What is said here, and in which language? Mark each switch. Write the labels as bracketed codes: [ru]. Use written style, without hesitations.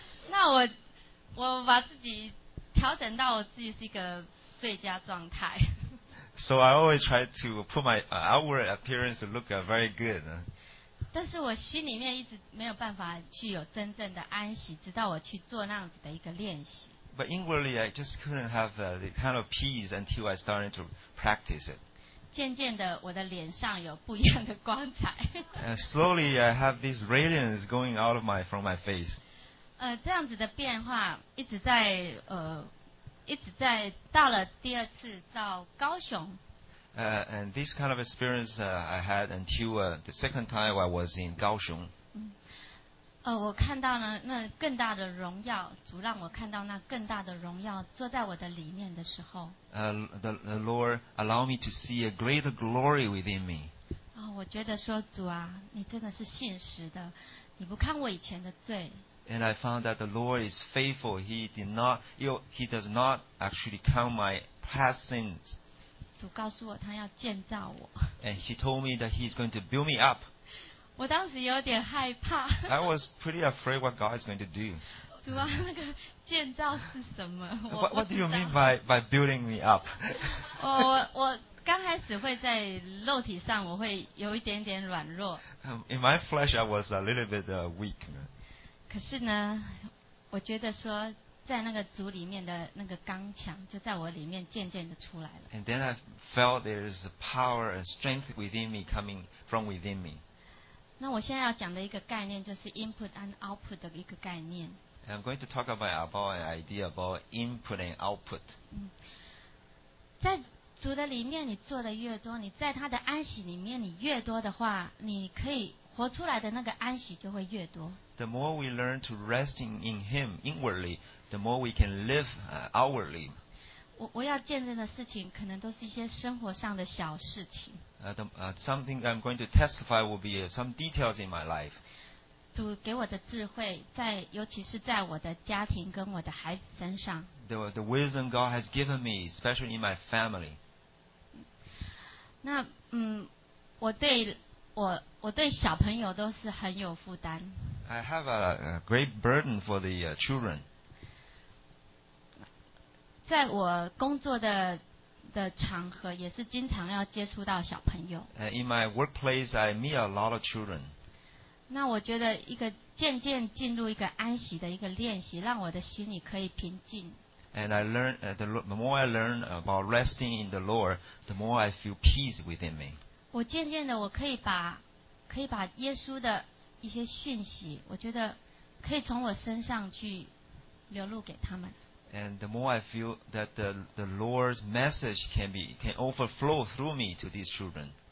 [zh] 那我把自己调整到我自己是一个最佳状态。 [en] So I always try to put my outward appearance to look very good. [zh] 但是我心里面一直没有办法去有真正的安息，直到我去做那样子的一个练习。 [en] But inwardly, I just couldn't have the kind of peace until I started to practice it. [zh] 渐渐的我的脸上有不一样的光彩。 [en] Slowly I have this radiance going out of from my face. [zh] 这样子的变化一直在一直在到了第二次到高雄。 [en] And this kind of experience I had until the second time I was in Kaohsiung. [zh] 我看到了那更大的荣耀，主让我看到那更大的荣耀坐在我的里面的时候。 [en] The Lord allow me to see a greater glory within me. [zh] 我觉得说主啊，你真的是信实的，你不看我以前的罪。 [en] And I found that the Lord is faithful. He does not actually count my past sins. [zh] 主告诉我他要建造我。 [en] And he told me that he's going to build me up. [zh] 我当时有点害怕。 [en] I was pretty afraid what God is going to do. [zh] 主啊，那个建造是什么？ [en] What do you mean by building me up? [zh] 我刚开始会在肉体上我会有一点点软弱。 [en] In my flesh, I was a little bit weak. [zh] 可是呢，我觉得说，在那个主里面的那个刚强，就在我里面渐渐的出来了。 [en] And then I felt there is a power and strength within me coming from within me. [zh] 那我现在要讲的一个概念就是 [en] input and output [zh] 的一个概念。 [en] I'm going to talk about an idea about input and output. [zh] 在主的里面，你做的越多，你在他的安息里面你越多的话，你可以活出来的那个安息就会越多。 [en] The more we learn to rest in Him inwardly, the more we can live outwardly. [zh] 我要见证的事情可能都是一些生活上的小事情。 [en] Something I'm going to testify will be some details in my life. [zh] 主给我的智慧在尤其是在我的家庭跟我的孩子身上。 [en] The wisdom God has given me, especially in my family. [zh] 那我对小朋友都是很有负担。 [en] I have a great burden for the children. [zh] 在我工作的场合，也是经常要接触到小朋友。 [en] In my workplace, I meet a lot of children. [zh] 那我觉得一个渐渐进入一个安息的一个练习，让我的心里可以平静。 [en] And I learn the more I learn about resting in the Lord, the more I feel peace within me. [zh] 我渐渐的，我可以把耶稣的一些讯息，我觉得可以从我身上去流露给他们。 [en] And the more I feel that the Lord's message can overflow through me to these children.